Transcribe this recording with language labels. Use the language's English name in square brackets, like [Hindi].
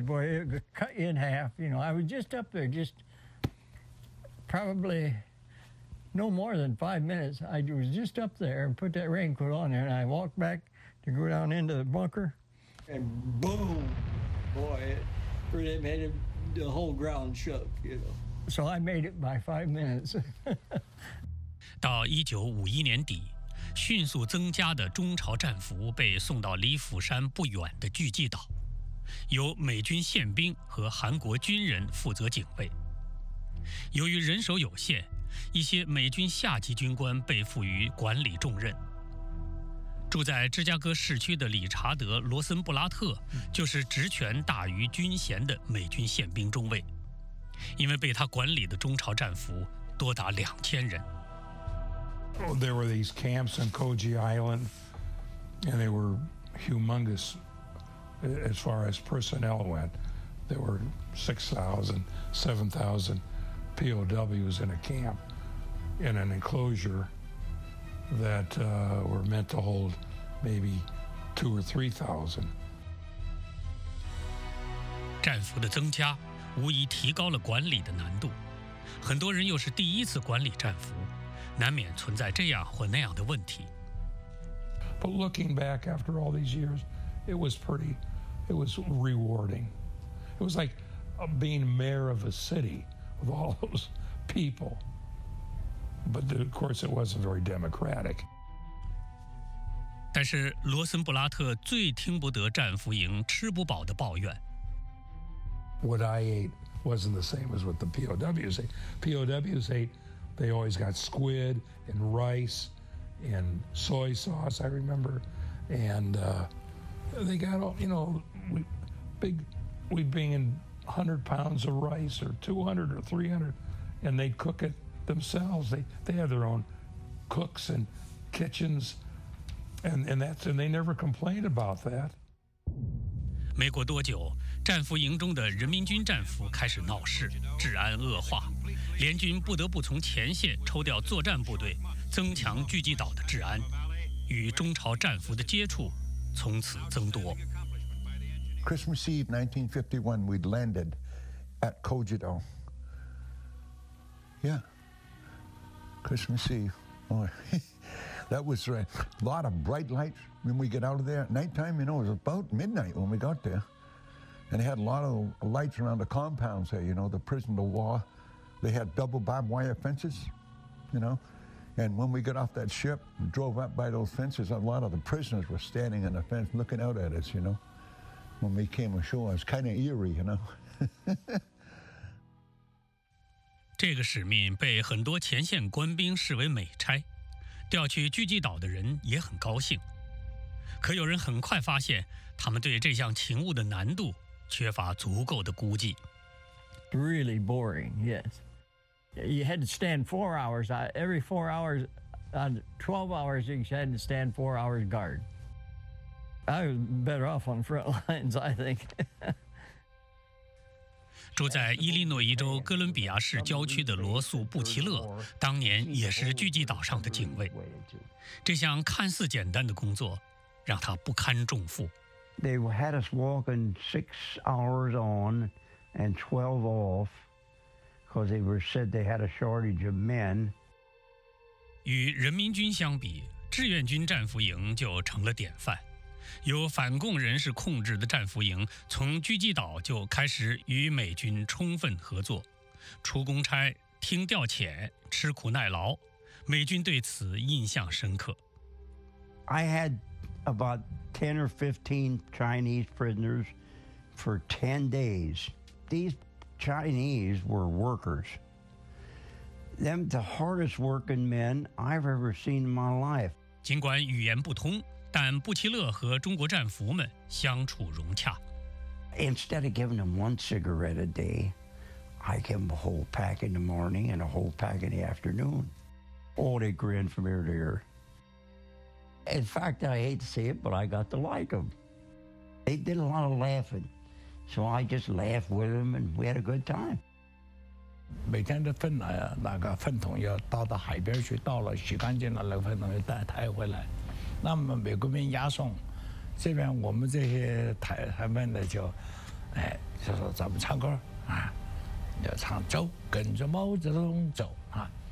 [English] Boy, it would cut you in half, you know. I was just up there, just probably no more than 5 minutes. I was just up there and put that raincoat on there, and I walked back to go down into the bunker, and boom, boy, it really made it, the whole ground shook, you know. So I made it by 5 minutes. [Chinese] 到1951年底，迅速增加的中朝战俘被送到李府山不远的巨济岛，由美军宪兵和韩国军人负责警卫。由于人手有限，一些美军下级军官被赋予管理重任。住在芝加哥市区的理查德·罗森布拉特就是职权大于军衔的美军宪兵中尉，因为被他管理的中朝战俘多达2000人。 [English] There were these camps on Koji Island, and they were humongous as far as personnel went. There were 6,000, 7,000 POWs in a camp, in an enclosure that were meant to hold maybe 2,000 or 3,000. [Chinese] 战俘的增加无疑提高了管理的难度，很多人又是第一次管理战俘，难免存在这样或那样的问题。 [English] But looking back after all these years, it was pretty, it was rewarding. It was like being mayor of a city of all those people. But of course, it wasn't very democratic. [Chinese] 但是罗森布拉特最听不得战俘营吃不饱的抱怨。 [English] What I ate wasn't the same as what the POWs ate. POWs ate, they always got squid and rice and soy sauce, I remember. And they got all, you know, we'd bring in 100 pounds of rice or 200 or 300, and they'd cook it themselves. They had their own cooks and kitchens, and they never complained about that. [Chinese] 没过多久，战俘营中的人民军战俘开始闹事，治安恶化，联军不得不从前线抽调作战部队，增强聚集岛的治安，与中朝战俘的接触从此增多。 [English] Christmas Eve 1951, we'd landed at Koji Do. Yeah, Christmas Eve. Oh, that was a lot of bright lights when we get out of there. Nighttime, you know, it was about midnight when we got there. And they had a lot of lights around the compounds there, you know, the prison, the wall. They had double barbed wire fences, you know. And when we got off that ship and drove up by those fences, a lot of the prisoners were standing on the fence looking out at us, you know. When we came ashore, it was kind of eerie, you know. [Chinese] 这个使命被很多前线官兵视为美差，调去聚集岛的人也很高兴。可有人很快发现，他们对这项勤务的难度缺乏足够的估计。 [English] Really boring, yes. You had to stand 4 hours. Every 4 hours, on 12 hours, you had to stand 4 hours guard. I was better off on front lines, I think. [Chinese] 住在伊利诺伊州哥伦比亚市郊区的罗素·布奇勒，当年也是聚集岛上的警卫。这项看似简单的工作，让他不堪重负。 [English] They had us walking 6 hours on and 12 off because they were said they had a shortage of men. [Chinese] 与人民军相比，志愿军战俘营就成了典范。由反共人士控制的战俘营，从聚集岛就开始与美军充分合作，出公差、听调遣、吃苦耐劳，美军对此印象深刻。 [English] I had about 10 or 15 Chinese prisoners for 10 days. These Chinese were workers. Them the hardest working men I've ever seen in my life. [Chinese] 尽管语言不通，但布奇勒和中国战俘们相处融洽。 [English] Instead of giving them one cigarette a day, I give them a whole pack in the morning and a whole pack in the afternoon. Oh, they grin from ear to ear. In fact, I hate to say it, but I got to like them. They did a lot of laughing. So I just laughed with them and we had a good time. [Chinese] 美国兵押送，这边我们这些台湾的就，哎，就是咱们唱歌啊，要唱走跟着毛泽东走啊，